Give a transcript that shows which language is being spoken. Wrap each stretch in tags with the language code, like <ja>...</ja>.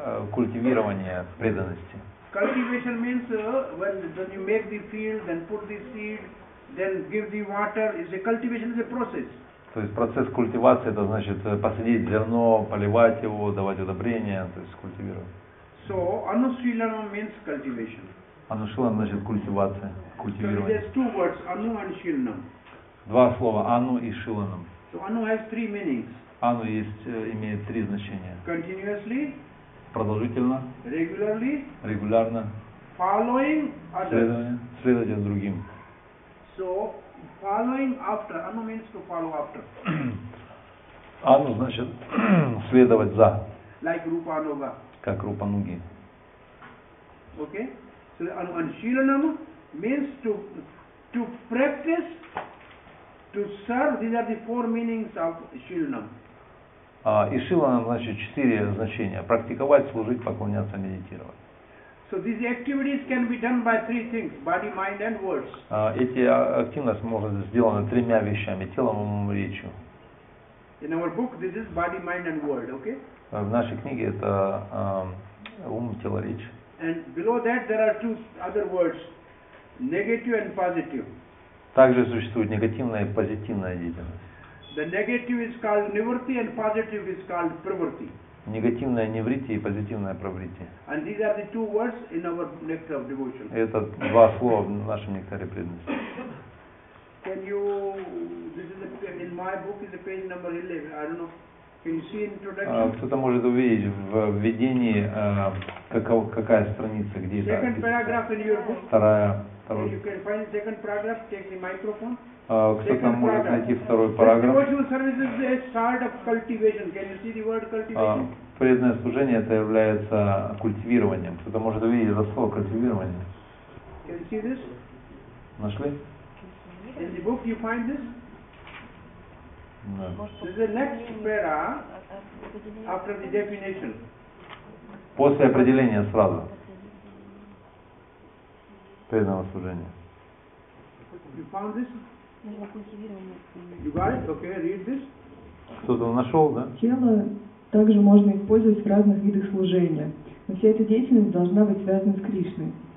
<ru>Культивирование преданности.</ru> <en>Cultivation means when you make the field, then put the seed, then give the water. Is a cultivation is a process.</en> <ru>То есть процесс культивации это значит посадить зерно, поливать его, давать удобрения, то есть культивировать.</ru> <en>So anushilana means cultivation.</en> <ru>Anushilana значит культивация, культивирование.</ru> <en>So there's two words, anu and shilanam.</en> <ru>Два слова, anu и shilanam.</ru> <en>So anu has three meanings.</en> <ru>Anu имеет три значения.</ru> <en>Continuously.</en> <ru>Продолжительно.</ru> <en>Regularly.</en> <ru>Регулярно.</ru> <en>Following others.</en> <ru>Следовать другим.</ru> <en>So following after, anu means to follow after.</en> <ru>Anu значит следовать за.</ru> <en>Like Rupa Anuga.</en> <ru>Как Рупа Нуги.</ru> <en>Okay. So anushilanam means to practice, to serve. These are the four meanings of shilanam.</en> <ru>Ишиланам значит четыре значения: практиковать, служить, поклоняться, медитировать.</ru> <en>So these activities can be done by three things: body, mind, and words.</en> <ru>Эти активности могут быть сделаны тремя вещами: телом, умом, речью.</ru> <en>In our book, this is body, mind, and word. Okay.</en> <ru>В нашей книге это ум, тело, речь.</ru> <en>And below that there are two other words, negative and positive.</en> <ru>Также существует негативная и позитивная деятельность.</ru> <en>The negative is called nivritti and positive is called pravritti.</en> <ru>Негативное nivritti и позитивное pravritti.</ru> <en>And these are the two words in our nectar of devotion.</en> <ru>Это два слова в нашем нектаре преданности.</ru> <en>Can you? This is in my book is page number 11. I don't know. Can you see introduction?</en> <ru>Кто-то может увидеть в введении, какая страница, где</ru> <en>second</en> <ru>это.</ru> <en>Second paragraph in your book.</en> <ru>Вторая.</ru> <en>You can find second paragraph. Take the microphone.</en> <ru>Кто-то может найти второй параграф.</ru> <en>Devotional service is a start of cultivation. Can you see the word cultivation?</en> <ru>Преданное служение это является культивированием. Кто-то может увидеть это слово культивирование.</ru> <en>Can you see this?</en> <ru>Нашли?</ru> <en>In the book you find this? No. This is the next para after the definition.</en> <ru>После определения сразу. Преданного служения.</ru> <en>You found this? You got it? Okay, read this.</en> <ru>Кто-то нашел, да? Тело также можно использовать в разных видах служения, но вся эта деятельность должна быть связана с Кришной.</ru>